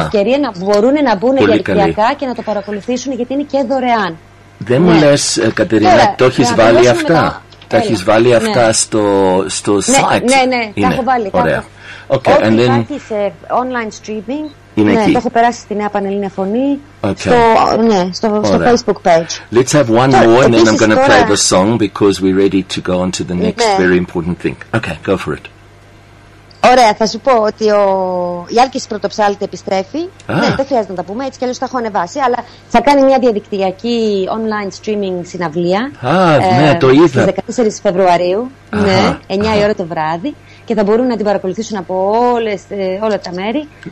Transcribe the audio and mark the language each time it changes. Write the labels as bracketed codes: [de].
[el] ευκαιρία να μπορούν να μπουν διαδικτυακά και να το παρακολουθήσουν γιατί είναι και δωρεάν. Δεν μου λες, Κατερίνα, το έχεις βάλει αυτά. Τα έχεις βάλει αυτά στο site. Ναι, τα έχω βάλει. Ωραία. Okay, όχι, υπάρχει σε online streaming. Είναι εκεί. Το έχω περάσει στη Νέα Πανελλήνια Φωνή. [en] Okay. Στο Facebook page. Let's have one more and then I'm going to play the song because we're ready to go on to the next very important thing. Okay, go for it. [el] Ωραία, θα σου πω ότι ο Γιάλκης Πρωτοψάλτη επιστρέφει. Ναι, δεν χρειάζεται να τα πούμε, έτσι κι αλλιώς τα έχω ανεβάσει, αλλά θα κάνει μια διαδικτυακή online streaming συναυλία. Το είδα. Στις 14 Φεβρουαρίου, 9 η ώρα το βράδυ. Και θα μπορούν να την παρακολουθήσουν από όλα τα μέρη.